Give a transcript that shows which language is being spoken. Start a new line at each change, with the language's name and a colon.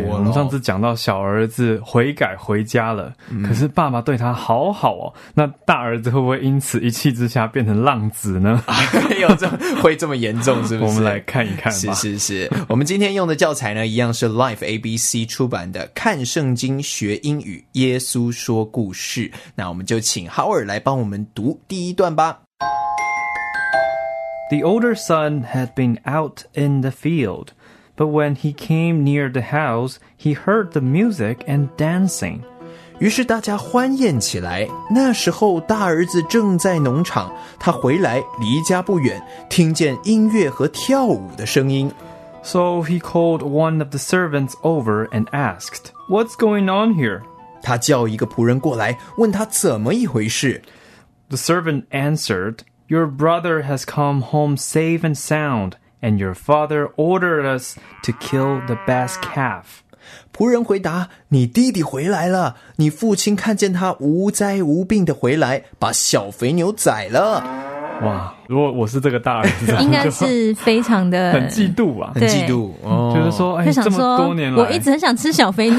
Chinese: 我们上次讲到小儿子悔改回家了、嗯、可是爸爸对他好好哦，那大儿子会不会因此一气之下变成浪子呢？没有这会这么严重是不是？我们来看一看吧。是是是，我们今天用的教材呢一样是 Life ABC 出版的看圣经学英语耶稣说故事。那我们就请 Howard 来帮我们读第一段吧。
English: The older son had been out in the field, but when he came near the house, he heard the music and dancing.
Chinese: 于是大家欢宴起来，那时候大儿子正在农场，他回来离家不远，听见音乐和跳舞的声音。
English: So he called one of the servants over and asked, What's going on here?
Chinese: 他叫一个仆人过来，问他怎么一回事。
English: The servant answered,Your brother has come home safe and sound, and your father ordered us to kill the best calf.
Chinese: 仆人回答，你弟弟回来了，你父亲看见他无灾无病的回来，把小肥牛宰了。哇，如果我是这个大儿子，应该是非常的很嫉妒啊，很嫉妒，就是说，哎，这么多年来，我一直很想吃小肥牛，